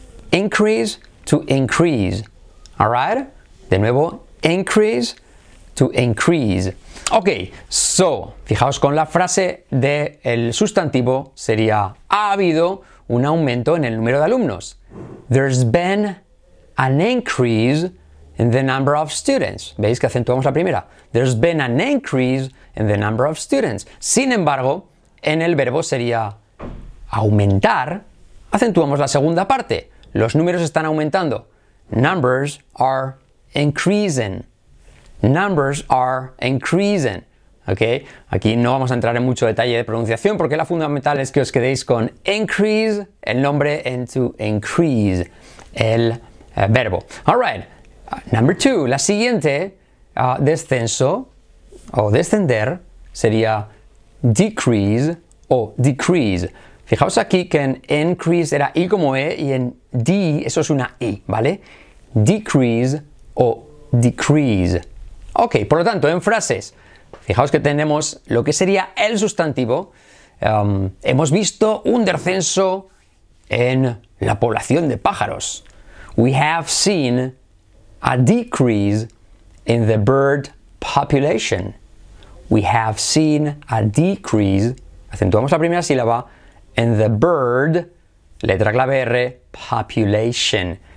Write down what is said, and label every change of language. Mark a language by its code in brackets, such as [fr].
[en] Increase, to increase. Alright? [es] De nuevo, increase, to increase. Ok, so, fijaos con la frase del sustantivo, sería ha habido un aumento en el número de alumnos. [en] There's been an increase in the number of students. [es] ¿Veis que acentuamos la primera? [en] There's been an increase in the number of students. [es] Sin embargo, en el verbo sería aumentar, acentuamos la segunda parte. Los números están aumentando. [en] Numbers are increasing. Numbers are increasing. ¿Ok? [es] Aquí no vamos a entrar en mucho detalle de pronunciación porque la fundamental es que os quedéis con increase, el nombre, en to increase, el verbo. [en] Alright. Number two. [es] La siguiente, descenso o descender, sería decrease o decrease. Fijaos aquí que en increase era I como E y en D eso es una I, ¿vale? Decrease o decrease. Ok, por lo tanto, en frases, fijaos que tenemos lo que sería el sustantivo. Hemos visto un descenso en la población de pájaros. [en] We have seen a decrease in the bird population. We have seen a decrease, [es] acentuamos la primera sílaba, [en] in the bird, [es] letra clave R, [en] population.